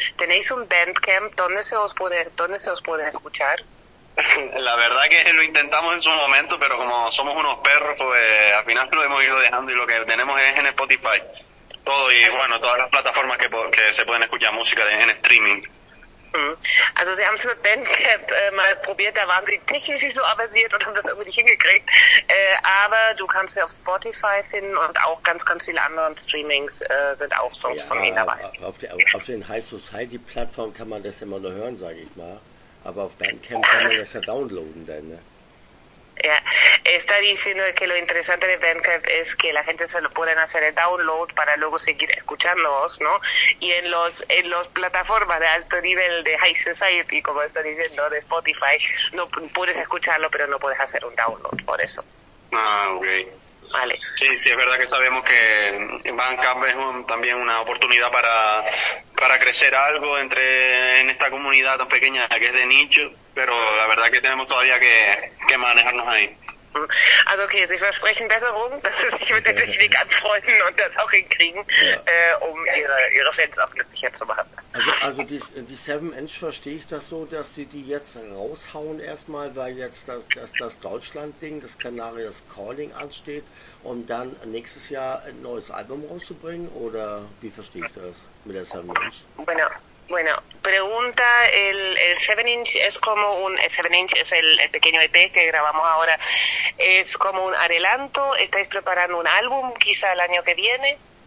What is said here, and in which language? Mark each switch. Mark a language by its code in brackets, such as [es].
[es] ¿Tenéis un Bandcamp? ¿Dónde se os puede escuchar? La verdad que lo intentamos en su momento, pero como somos unos perros, pues al final lo hemos ido dejando y lo que tenemos es en Spotify. Todo y bueno, todas las plataformas que se pueden escuchar música en streaming. [de] Also sie haben es mit Bandcamp mal probiert, da waren sie technisch nicht so avisiert und haben das irgendwie nicht hingekriegt. Aber du kannst sie auf Spotify finden und auch ganz, ganz viele andere Streamings sind auch Songs von ihnen dabei. Auf den High Society Plattform kann man das immer nur hören, sage ich mal. Aber auf Bandcamp kann man das ja downloaden dann, ne? [es] Ja, está diciendo que lo interesante de Bandcamp es que la gente se lo pueden hacer el download para luego seguir escuchándoos, ¿no? Y en los plataformas de alto nivel de High Society, como está diciendo, de Spotify, no puedes escucharlo, pero no puedes hacer un download, por eso. Ah, ok. Vale. Sí, es verdad que sabemos que Bandcamp es también una oportunidad para crecer algo en esta comunidad tan pequeña que es de nicho. Pero la verdad es que tenemos todavía que manejarnos ahí. [de] Also okay, Sie versprechen Besserung, dass Sie sich mit der Technik anfreunden und das auch hinkriegen, ja. Um Ihre Fans auch glücklicher zu machen. Also die 7-Inch, verstehe ich das so, dass Sie die jetzt raushauen erstmal, weil jetzt das Deutschland-Ding, das Canarias Calling ansteht, um dann nächstes Jahr ein neues Album rauszubringen? Oder wie verstehe ich das mit der 7-Inch? [es] Bueno, pregunta, el 7-inch es como un, el 7-inch es el pequeño EP que grabamos ahora, es como un adelanto, ¿estáis preparando un álbum quizá el año que viene?